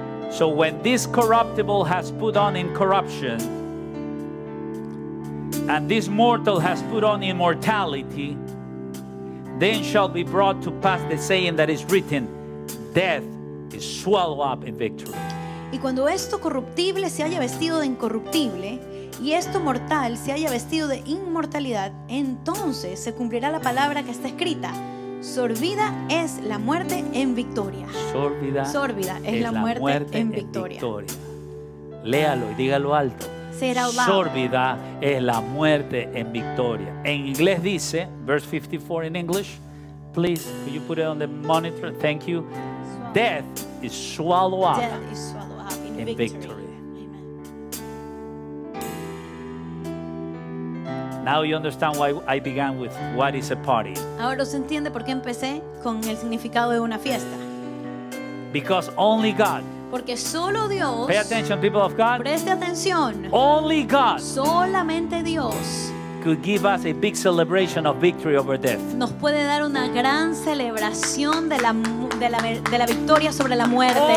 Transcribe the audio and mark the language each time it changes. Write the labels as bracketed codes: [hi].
[en] So when this corruptible has put on incorruption, and this mortal has put on immortality, then shall be brought to pass the saying that is written, death is swallowed up in victory. [es] Y cuando esto corruptible se haya vestido de incorruptible, y esto mortal se haya vestido de inmortalidad, entonces se cumplirá la palabra que está escrita, sorbida es la muerte en victoria. Sorbida, sorbida es la muerte, muerte en victoria. Victoria. Léalo y dígalo alto. Será sórbida es la muerte en victoria. En inglés dice, [en] verse 54 in English, please, could you put it on the monitor? Thank you. Death is swallowed up, death is swallowed up in victory. Amen. Now you understand why I began with what is a party. [es] Ahora se entiende por qué empecé con el significado de una fiesta. [en] Because only God. [es] Porque solo Dios. [en] Pay attention, people of God. [es] Preste atención. [en] Only God. [es] Solamente Dios. [en] Could give us a big celebration of victory over death. [es] Nos puede dar una gran celebración de la victoria sobre la muerte.